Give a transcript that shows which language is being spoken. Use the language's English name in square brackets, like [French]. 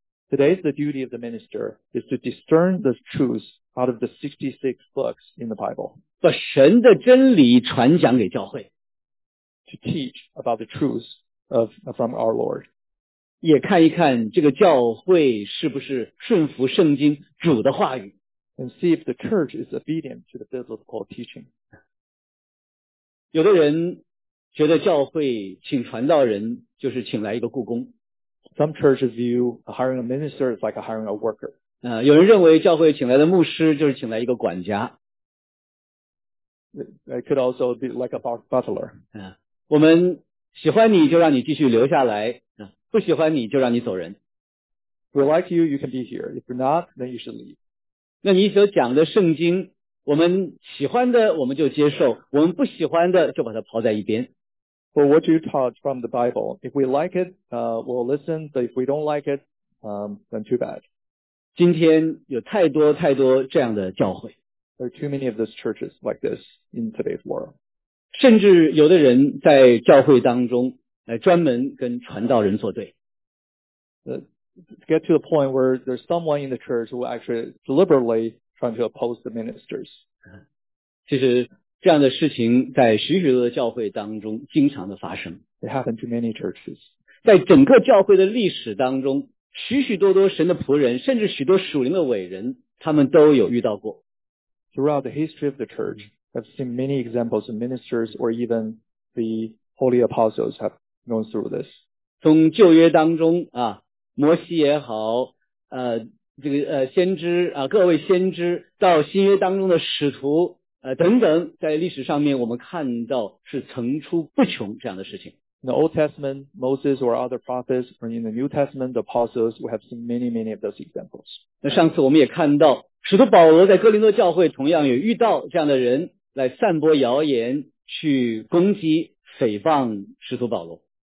[English] Today's the duty of the minister is to discern the truths out of the 66 books in the Bible. [Chinese] 把神的真理传讲给教会。 [English] To teach about the truths from our Lord. [Chinese] 也看一看这个教会是不是顺服圣经主的话语。 [English] And see if the church is obedient to the biblical teaching. [Chinese] 有的人觉得教会请传道人就是请来一个雇工。 [English] Some churches view hiring a minister is like hiring a worker. [Chinese] 有人认为教会请来的牧师就是请来一个管家。 [English] It could also be like a butler. [Chinese] 我们喜欢你就让你继续留下来，不喜欢你就让你走人。 [English] We like you, you can be here. If you're not, then you should leave. [Chinese] 那你所讲的圣经，我们喜欢的我们就接受，我们不喜欢的就把它抛在一边。 [English] for what you taught from the Bible. If we like it, we'll listen, but if we don't like it, then too bad. [Chinese] 今天有太多太多这样的教会。 [English] There are too many of those churches like this in today's world. [Chinese] 甚至有的人在教会当中专门跟传道人作对。 [English] Get to the point where there's someone in the church who actually deliberately trying to oppose the ministers. [Chinese] 其实这样的事情在许许多的教会当中经常的发生。 [English] It happened to many churches. [Chinese] 在整个教会的历史当中许许多多神的仆人甚至许多属灵的伟人他们都有遇到过。 [English] Throughout the history of the church, I've seen many examples of ministers or even the holy apostles have gone through this. [Chinese] 从旧约当中啊摩西也好这个先知啊各位先知到新约当中的使徒等等在历史上面我们看到是层出不穷这样的事情。 [English] In the Old Testament, Moses or other prophets, or in the New Testament, the apostles, we have seen many, many of those examples. [Chinese] 那上次我们也看到使徒保罗在哥林多教会同样也遇到这样的人来散播谣言去攻击诽谤使徒保罗。